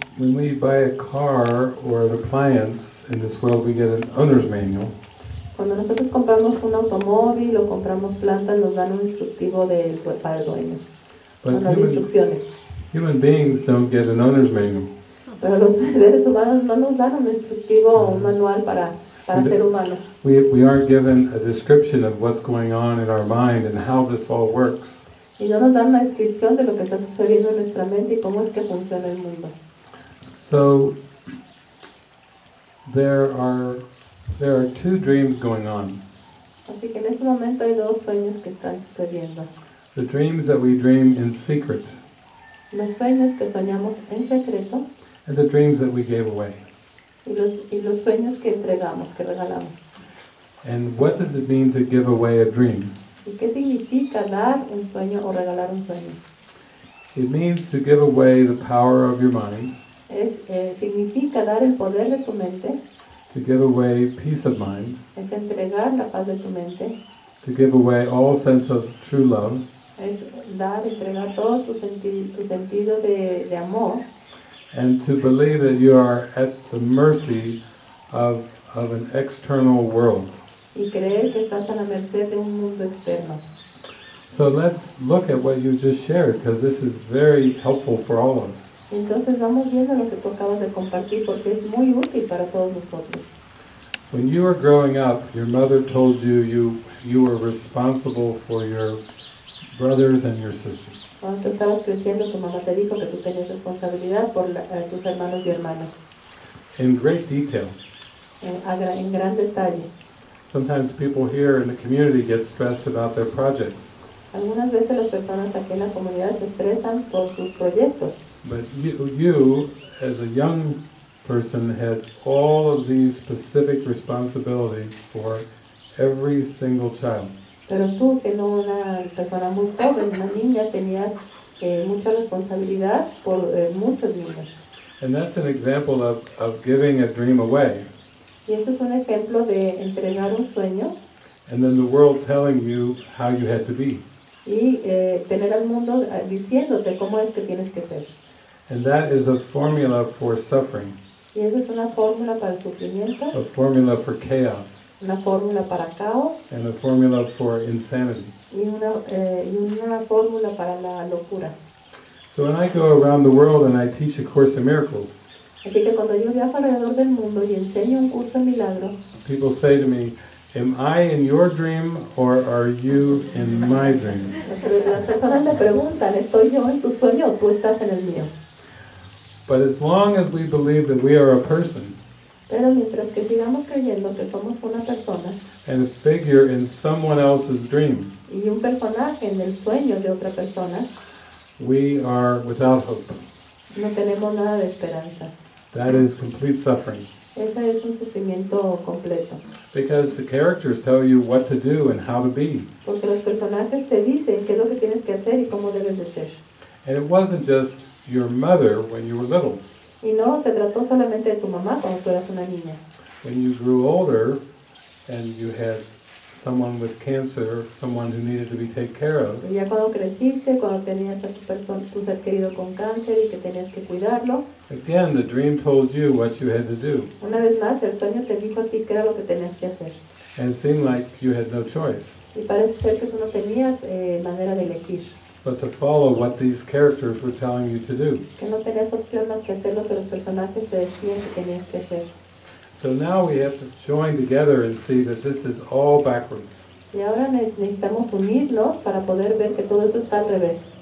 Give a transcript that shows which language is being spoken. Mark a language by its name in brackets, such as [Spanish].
[English] Well, when we buy a car or an appliance in this world, we get an owner's manual. [Spanish] Cuando nosotros compramos un automóvil o compramos plantas, nos dan un instructivo para el dueño. [English] But [Spanish] las instrucciones. [English] Human beings don't get an owner's manual. [Spanish] Pero los seres humanos no nos dan un instructivo o un manual para ser humano. [English] We aren't given a description of what's going on in our mind and how this all works. [Spanish] Y no nos dan una descripción de lo que está sucediendo en nuestra mente y cómo es que funciona el mundo. [English] So there are two dreams going on. [Spanish] Así que en este momento hay dos sueños que están sucediendo. [English] The dreams that we dream in secret. [Spanish] Los sueños que soñamos en secreto. [English] And the dreams that we gave away. [Spanish] Y los sueños que entregamos, que regalamos. [English] And what does it mean to give away a dream? [Spanish] ¿Y qué significa dar un sueño o regalar un sueño? [English] It means to give away the power of your mind. [Spanish] Es significa dar el poder de tu mente. [English] To give away peace of mind. [Spanish] Es entregar la paz de tu mente. [English] To give away all sense of true love. [Spanish] Es dar, entregar todo tu sentido de amor. [English] And to believe that you are at the mercy of an external world. [Spanish] Y creer que estás a la merced de un mundo externo. [English] So let's look at what you just shared, because this is very helpful for all of us. [Spanish] Entonces vamos viendo lo que tú acabas de compartir, porque es muy útil para todos nosotros. [English] When you were growing up, your mother told you you were responsible for your brothers and your sisters. [Spanish] Cuando tú estabas creciendo, tu mamá te dijo que tú tenías responsabilidad por tus hermanos y hermanas. [English] In great detail. [Spanish] En gran detalle. [English] Sometimes people here in the community get stressed about their projects. [Spanish] Algunas veces las personas aquí en la comunidad se estresan por sus proyectos. [English] But you, as a young person, had all of these specific responsibilities for every single child. [Spanish] Pero tú, siendo una persona muy joven, una niña, tenías mucha responsabilidad por muchos niños. [English] And that's an example of giving a dream away. [Spanish] Y eso es un ejemplo de entregar un sueño. [English] And then the world telling you how you had to be. [Spanish] Y tener al mundo diciéndote cómo es que tienes que ser. [English] And that is a formula for suffering. [Spanish] Y esa es una fórmula para el sufrimiento. [English] A formula for chaos. [Spanish] Una fórmula para caos. [English] And a formula for insanity. [Spanish] Y una fórmula para la locura. [English] So when I go around the world and I teach A Course in Miracles, [Spanish] así que cuando yo viajo alrededor del mundo y enseño un curso de milagros, [English] people say to me, am I in your dream or are you in my dream? [Spanish] Las personas me preguntan, ¿estoy yo en tu sueño o tú estás en el mío? [English] But as long as we believe that we are a person, [Spanish] pero mientras que sigamos creyendo que somos una persona, [English] and a figure in someone else's dream, [Spanish] y un personaje en el sueño de otra persona, [English] we are without hope. [Spanish] No tenemos nada de esperanza. [English] That is complete suffering. [Spanish] Ese es un sufrimiento completo. [English] Because the characters tell you what to do and how to be. [Spanish] Porque los personajes te dicen qué es lo que tienes que hacer y cómo debes de ser. [English] And it wasn't just your mother when you were little. [Spanish] Y no se trató solamente de tu mamá cuando tú eras una niña. [English] When you grew older and you had someone with cancer, someone who needed to be taken care of. [Spanish] Ya cuando creciste, cuando tenías a tu ser querido con cáncer y que tenías que cuidarlo. [English] Again, the dream told you what you had to do. [Spanish] Una vez más, el sueño te dijo a ti qué era lo que tenías que hacer. [English] And it seemed like you had no choice. [Spanish] Y parece ser que tú no tenías manera de elegir. [English] But to follow what these characters were telling you to do. [Spanish] Que no tenías opción más que hacer lo que los personajes te decían que tenías que hacer. [English] So now we have to join together and see that this is all backwards. [Spanish] Y ahora necesitamos unirnos para poder ver que todo esto está al revés.